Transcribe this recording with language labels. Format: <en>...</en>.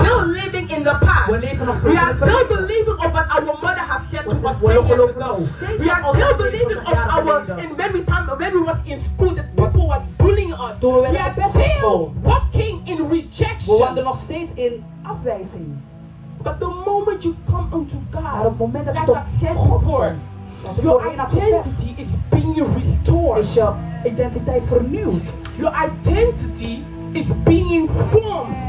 <en>We are still living in the past.</en> <nl>We leven nog steeds in het verleden.</nl> <en>We are still believing of what our mother has said to us 10 years ago. We are still believing of our in many times when we was in school that people was bullying us. We are still walking in rejection.</en> <nl>We wandelen nog steeds in afwijzing.</nl> <en>But the moment you come unto God,</en> <nl>op moment dat</nl> <en>like I said before, your identity is being restored.</en> <nl>Is jouw identiteit vernieuwd?</nl> <en>Your identity is being formed.</en>